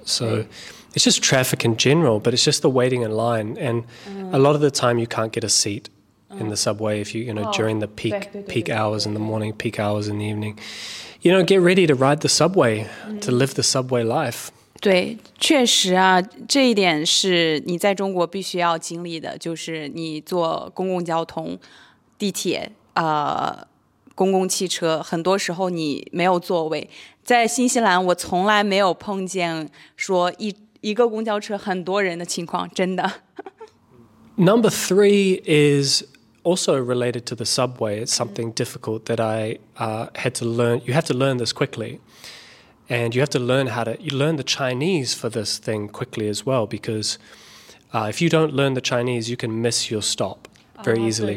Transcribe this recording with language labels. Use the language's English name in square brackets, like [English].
[English] So it's just traffic in general, but it's just the waiting in line. And a lot of the time, you can't get a seat in the subway if you, you know, during the peak hours in the morning, peak hours in the evening. You know, get ready to ride the subway, to live the subway life. [Chinese] 对，确实啊，这一点是你在中国必须要经历的，就是你坐公共交通、地铁、公共汽车，很多时候你没有座位。在新西兰，我从来没有碰见说一个公交车很多人的情况，真的。 [English] Number three is also related to the subway. It's something difficult that I had to learn. You have to learn this quickly. And you have to learn how to, you learn the Chinese for this thing quickly as well, because if you don't learn the Chinese, you can miss your stop very easily.